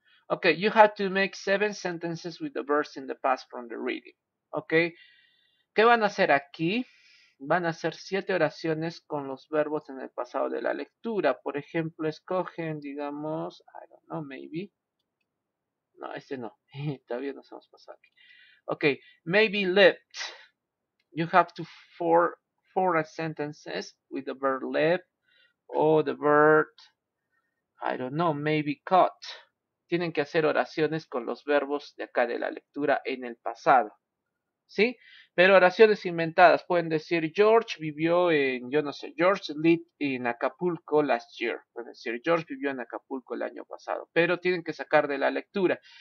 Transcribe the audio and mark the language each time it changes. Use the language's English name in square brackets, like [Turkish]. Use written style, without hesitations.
[English] Ok, you have to make 7 sentences with the verbs in the past from the reading. [Spanish] Ok. ¿Qué van a hacer aquí? Van a hacer 7 oraciones con los verbos en el pasado de la lectura. Por ejemplo, escogen, digamos, [English] I don't know, maybe. [Spanish] No, este no. Todavía nos hemos pasado aquí. Ok, [English] maybe lived. You have to form 4 sentences with the verb live or the verb I don't know, maybe caught. [Spanish] Tienen que hacer oraciones con los verbos de acá de la lectura en el pasado. ¿Sí? Pero oraciones inventadas. Pueden decir, George vivió en, yo no sé, [English] George lived in Acapulco last year. [Spanish] Pueden decir, George vivió en Acapulco el año pasado. Pero tienen que sacar de la lectura.